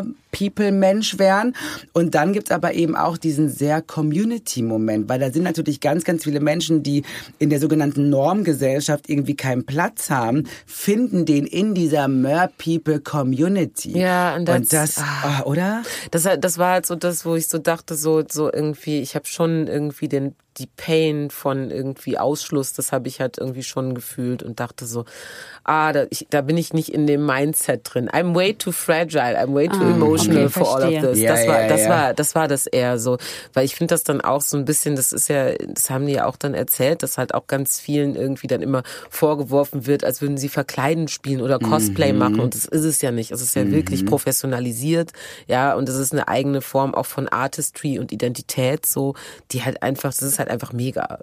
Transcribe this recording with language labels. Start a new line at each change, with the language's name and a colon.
German: People-Mensch wären. Und dann gibt's aber eben auch diesen sehr Community-Moment, weil da sind natürlich ganz, ganz viele Menschen, die in der sogenannten Normgesellschaft irgendwie keinen Platz haben, finden den in dieser Mer-People-Community. Ja, und das, oder? Das war halt so das, wo ich so dachte, so irgendwie, ich habe schon irgendwie die Pain von irgendwie Ausschluss, das habe ich halt irgendwie schon gefühlt und dachte so, da bin ich nicht in dem Mindset drin.
English: I'm way too fragile, I'm way too emotional for all of this.
German: Das war das eher so, weil ich finde das dann auch so ein bisschen, das ist ja, das haben die ja auch dann erzählt, dass halt auch ganz vielen irgendwie dann immer vorgeworfen wird, als würden sie verkleiden spielen oder Cosplay machen und das ist es ja nicht. Es ist ja wirklich professionalisiert, ja, und es ist eine eigene Form auch von Artistry und Identität so, die halt einfach, das ist halt einfach mega.